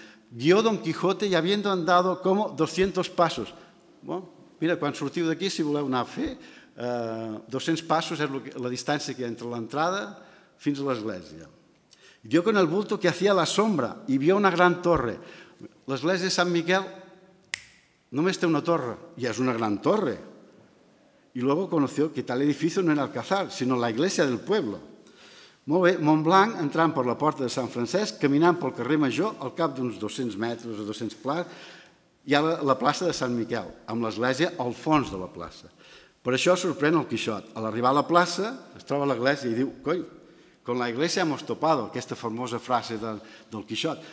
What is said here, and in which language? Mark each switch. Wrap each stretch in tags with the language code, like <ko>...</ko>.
<es>Guió Don Quijote y habiendo andado como 200 pasos.</es> <ca>Mira, quan sortiu d'aquí, si voleu anar a fer, 200 passos és la distància que hi ha entre l'entrada fins a l'església.</ca> <es>Dio con el bulto que hacía la sombra y vio una gran torre.</es> <ca>L'església de Sant Miquel només té una torre, i és una gran torre.</ca> <es>Y luego conoció que tal edificio no era Alcázar, sinó la iglesia del pueblo.</es> <ca>Molt bé, Montblanc, entrant per la porta de Sant Francesc, caminant pel carrer Major, al cap d'uns 200 metres o 200 plats, hi ha la plaça de Sant Miquel, amb l'església al fons de la plaça. Per això sorprèn el Quixot. A l'arribar a la plaça, es troba l'església i diu, coi,</ca> <es>con la iglesia hemos topado,</es> <ca>aquesta famosa frase del Quixot.</ca>